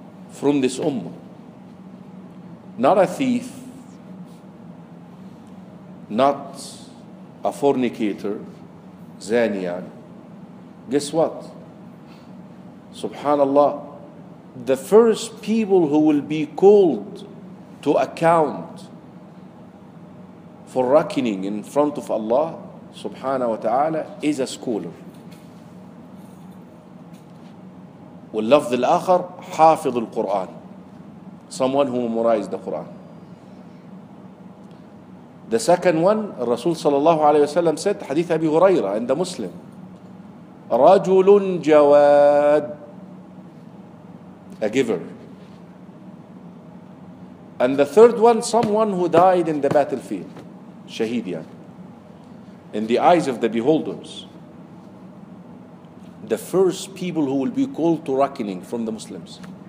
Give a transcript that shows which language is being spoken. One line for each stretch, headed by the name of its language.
English: from this ummah, not a thief, not a fornicator, zaniyan, Guess what? Subhanallah, the first people who will be called to account for reckoning in front of Allah subhanahu wa ta'ala is a scholar.
Arabic: واللفظ الآخر حافظ القرآن.
English: Someone who memorized the Quran. The second one,
Arabic: الرسول صلى الله عليه وسلم
English: said,
Arabic: حديث أبي هريرة عند مسلم, رجل جواد,
English: a giver. And the third one, someone who died in the battlefield,
Arabic: شهيد يعني,
English: in the eyes of the beholders. The first people who will be called to reckoning from the Muslims.